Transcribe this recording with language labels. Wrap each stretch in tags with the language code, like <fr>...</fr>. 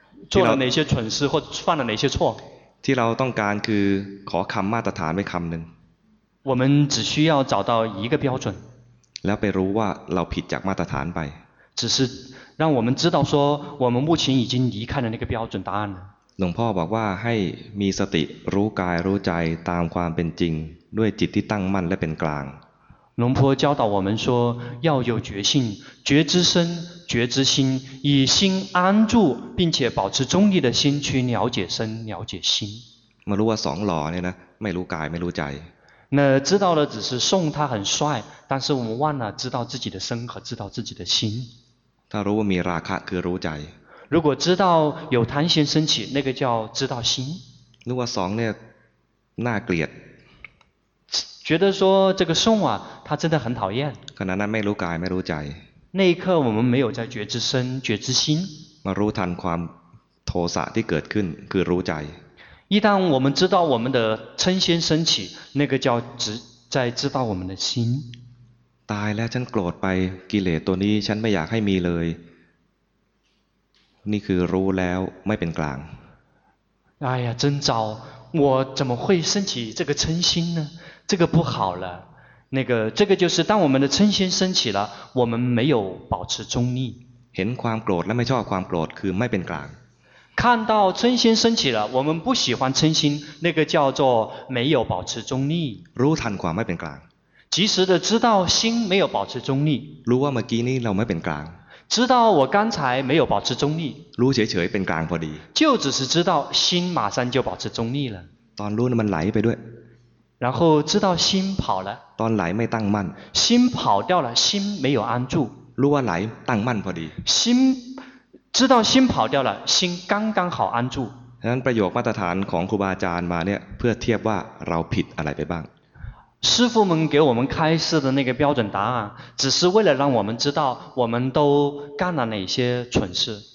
<zh>做了哪些蠢事或犯了哪些错</zh> <th>ที่เราต้องการคือขอคำมาตรฐานไว้คำหนึ่ง</th> <zh>我们只需要找到一个标准</zh> <th>แล้วไปรู้ว่าเราผิดจากมาตรฐานไป</th> <zh>只是让我们知道说我们目前已经离开了那个标准答案</zh> <th>หลวงพ่อบอกว่าให้มีสติรู้กายรู้ใจตามความเป็นจริงด้วยจิตที่ตั้งมั่นและเป็นกลาง</th> <zh>龙婆教导我们说要有觉性觉知身觉知心以心安住并且保持中立的心去了解身了解心</zh> <th>มารู้ว่าสองหล่อเนี่ยนะไม่รู้กายไม่รู้ใจ</th> <zh>那知道的只是送他很帅但是我们忘了知道自己的身和知道自己的心</zh> <th>ถ้ารู้ว่ามีราคะคือรู้ใจ</th> <zh>如果知道有贪心升起那个叫知道心</zh> <th>รู้ว่าสองเนี่ยน่าเกลียด</th> <zh>觉得说这个宋啊他真的很讨厌可能</zh> <th>ไม่รู้กายไม่รู้ใจ</th> <zh>那一刻我们没有在觉知身觉知心</zh> <th>มารู้ทันความโทสะที่เกิดขึ้นคือรู้ใจ</th> <zh>一旦我们知道我们的嗔心升起那个叫在知道我们的心</zh> <th>ตายแล้วฉันโกรธไปกิเลสตัวนี้ฉันไม่อยากให้มีเลยนี่คือรู้แล้วไม่เป็นกลาง</th> <zh>哎呀真糟我怎么会升起这个嗔心呢这个不好了那个这个就是当我们的嗔心升起了我们没有保持中立</zh> <th>เห็นความโกรธและไม่ชอบความโกรธคือไม่เป็นกลาง</th> <zh>看到嗔心升起了我们不喜欢嗔心那个叫做没有保持中立</zh> <th>รู้ทันความไม่เป็นกลาง</th> <zh>及时的知道心没有保持中立</zh> <th>รู้ว่าเมื่อกี้นี้เราไม่เป็นกลาง</th> <zh>知道我刚才没有保持中立</zh> <th>รู้เฉยๆเป็นกลางพอดี</th> <zh>就只是知道心马上就保持中立了</zh> <th>ตอนรู้มันไหลไปด้วย</th> <zh>然后知道心跑了</zh> <th>ตอนไหลไม่ตั้งมั่น</th> <zh>心跑掉了心没有安住</zh> <th>รู้ว่าไหลตั้งมั่นพอดี</th> <zh>心知道心跑掉了心刚刚好安住</zh> <th>ฉะนั้นประโยคมาตรฐานของครูบาอาจารย์มาเนี่ยเพื่อเทียบว่าเราผิดอะไรไปบ้าง</th> <zh>师父们给我们开示的那个标准答案只是为了让我们知道我们都干了哪些蠢事</zh>